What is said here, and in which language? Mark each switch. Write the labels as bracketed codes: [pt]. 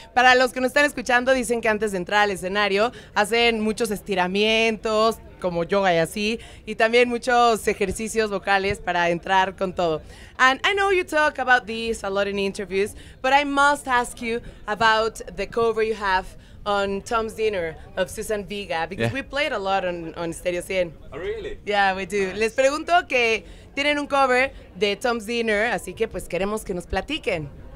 [es] Para los que nos están escuchando, dicen que antes de entrar al escenario, hacen muchos estiramientos, como yoga y así, y también muchos ejercicios vocales para entrar con todo. [en] And I know you talk about this a lot in interviews, but I must ask you about the cover you have on Tom's Dinner of Susan Vega, because we played a lot on Stereo 100. Oh, really? Yeah, we do. [es] Nice. Les pregunto que tienen un cover de Tom's Dinner, así que pues queremos que nos platiquen.